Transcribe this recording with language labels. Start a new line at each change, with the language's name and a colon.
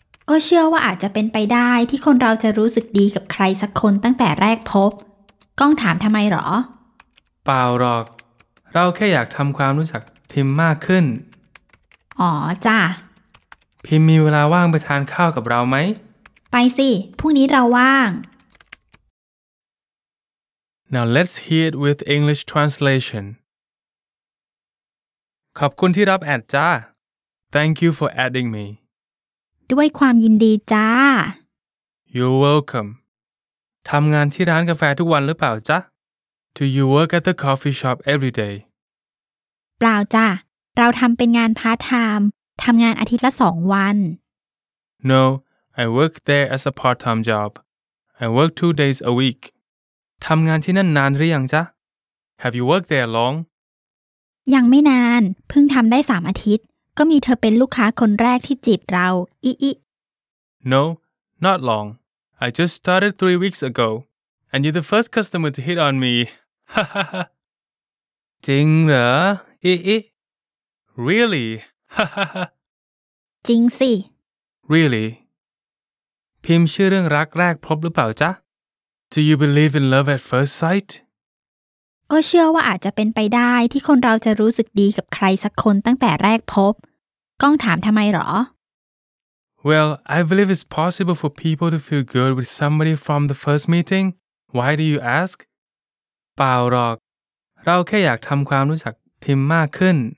Thai: ก็เชื่อว่าอาจจะเป็นไปได้ที่คนเราจะรู้สึกดีกับใครสักคนตั้งแต่แรกพบก้องถามทำไมหรอ เปล่าหรอกเราแค่อยากทำความรู้จักพิมพ์มากขึ้น อ๋อจ้ะ พิมมีเวลาว่างไปทานข้าวกับเราไหม ไปสิพรุ่งนี้เราว่าง
English: Now let's hear it with English translation.
Thai: ขอบคุณที่รับแอดจ้า
English: Thank you for adding me.
Thai: ด้วยความยินดีจ้า
English: You're welcome.
Thai: ทำงานที่ร้านกาแฟทุกวันหรือเปล่าจ้า
English: Do you work at the coffee shop every day?
Thai: เปล่าจ้าเราทำเป็นงานพาร์ทไทม์ทำงานอาทิตย์ละ2วัน
English: No, I work there as a part-time job. I work 2 days a week.
Thai: ทำงานที่นั่นนานหรือยังจ๊ะ
English: Have you worked there long?
Thai: ยังไม่นานเพิ่งทำได้3อาทิตย์ก็มีเธอเป็นลูกค้าคนแรกที่จีบเราอิอิ
English: No, not long. I just started 3 weeks ago. And you're the first customer to hit on me.
Thai: จริงเหรออิอิ
English: Really?
Thai: จริงสิ
English: Really?
Thai: พิมพ์เชื่อเรื่องรักแรกพบหรือเปล่าจ๊ะ
English: Do you believe in love at first sight?
Thai: ก็เชื่อว่าอาจจะเป็นไปได้ที่คนเราจะรู้สึกดีกับใครสักคนตั้งแต่แรกพบก้องถามทำไมหรอ
English: Well, I believe it's possible for people to feel good with somebody from the first meeting. Why do you ask?
Thai: เปล่าหรอกเราแค่อยากทำความรู้จักพิมพ์มากขึ้น